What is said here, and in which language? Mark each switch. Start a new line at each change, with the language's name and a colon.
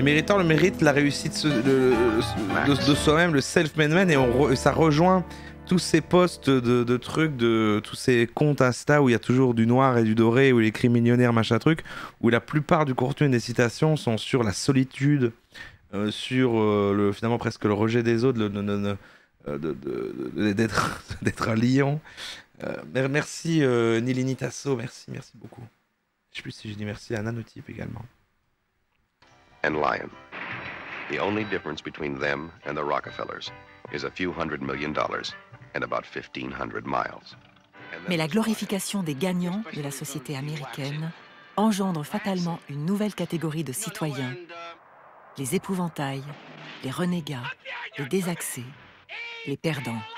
French: et méritant le mérite, la réussite de soi-même, le self-made man, et ça rejoint tous ces posts de trucs, de tous ces comptes Insta où il y a toujours du noir et du doré, où il écrit millionnaire, machin truc, où la plupart du contenu et des citations sont sur la solitude, sur le, finalement presque le rejet des autres, d'être un lion. Merci Nilini Tasso, merci beaucoup. Je sais plus si j'ai dit merci à Nanotype également.
English: And Lion. The only difference between them and the Rockefellers is a few hundred million dollars and about 1500 miles.
French: Mais la glorification des gagnants de la société américaine engendre fatalement une nouvelle catégorie de citoyens. Les épouvantails, les renégats, les désaxés, les perdants.